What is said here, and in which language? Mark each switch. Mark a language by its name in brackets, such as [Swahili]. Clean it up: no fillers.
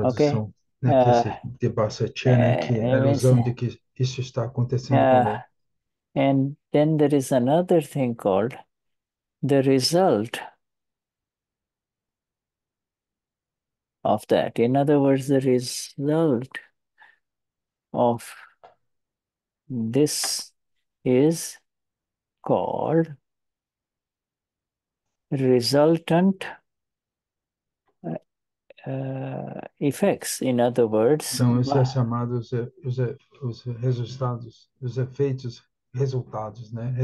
[Portuguese] tradução, né, que esse de Bassetier, né, que é a [English] Means, [Portuguese] ilusão de que isso está acontecendo comigo. [English] and then there is another thing called the result of that. In other words, the result of this is called resultant effects. In other words, [Portuguese] Então, isso é chamado os resultados, os efeitos, resultados, né?